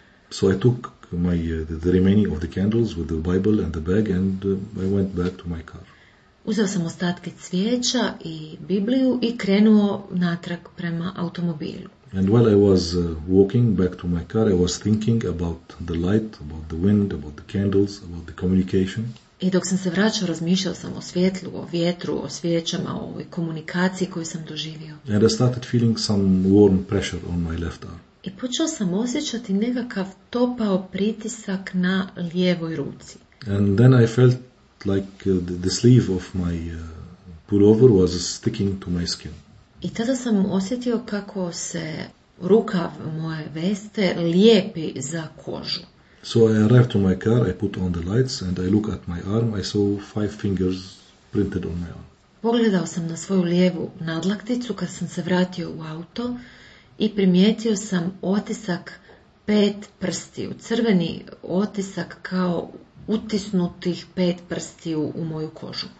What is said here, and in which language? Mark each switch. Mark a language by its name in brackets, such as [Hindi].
[English] So I took my the remaining of the candles with the Bible and the bag and I went back to my car. [Croatian] Uzeo sam ostatke cvijeća i Bibliju i krenuo natrag prema automobilu. [English] And while I was walking back to my car, I was thinking about the light, about the wind, about the candles, about the communication. [Croatian] I dok sam se vraćao, razmišljao sam o svjetlu, o vjetru, o svjećama, o ovoj komunikaciji koju sam doživio. [English] And I started feeling some warm pressure on my left arm. [Croatian] I počeo sam osjećati nekakav topao pritisak na lijevoj ruci. [English] And then I felt like the sleeve of my pullover was sticking to my skin. [Croatian] I tada sam osjetio kako se rukav moje veste lijepi za kožu. [English] So I arrived to my car, I put on the lights and I look at my arm, I saw 5 fingers printed on my arm. [Croatian] Pogledao sam na svoju lijevu nadlakticu kad sam se vratio u auto i primijetio sam otisak 5 prstiju, crveni otisak kao utisnutih 5 prstiju u moju kožu.